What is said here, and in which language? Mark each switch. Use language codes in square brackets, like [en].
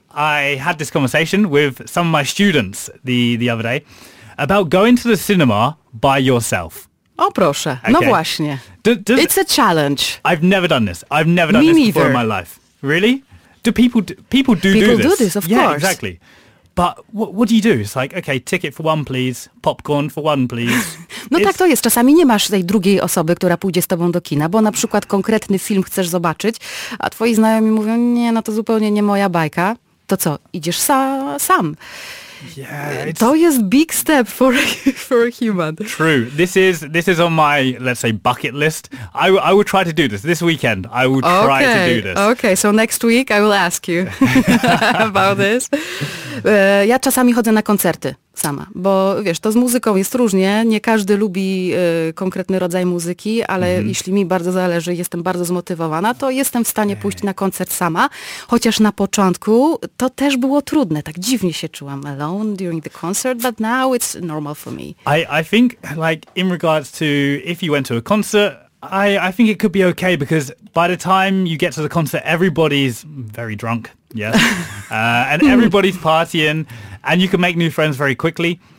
[en] I had this conversation with some of my students the other day about going to the cinema by yourself. [pl] O proszę, okay. No właśnie. [en] It's a challenge. I've never done this. I've never done Me this neither. Before in my life. Really? People do this, of yeah, course. Yeah, exactly. But what do you do? It's like, okay, ticket for one, please. Popcorn for one, please. [pl] No tak to jest. Czasami nie masz tej drugiej osoby, która pójdzie z tobą do kina, bo na przykład konkretny film chcesz zobaczyć, a twoi znajomi mówią, nie, no to zupełnie nie moja bajka. To co, idziesz sam. [en] Yeah, [pl] to jest [en] big step for a human. True. This is on my, let's say, bucket list. I will try to do this. This weekend, I will try okay. to do this. Okay, so next week I will ask you about this. [pl] Ja czasami chodzę na koncerty sama, bo wiesz, to z muzyką jest różnie. Nie każdy lubi konkretny rodzaj muzyki, ale mm-hmm. jeśli mi bardzo zależy, jestem bardzo zmotywowana, to jestem w stanie pójść na koncert sama. Chociaż na początku to też było trudne. Tak dziwnie się czułam [en] alone during the concert, but now it's normal for me. I think, like, in regards to if you went to a concert, I think it could be okay, because by the time you get to the concert, everybody's very drunk. Yes. And everybody's partying and you can make new friends very quickly.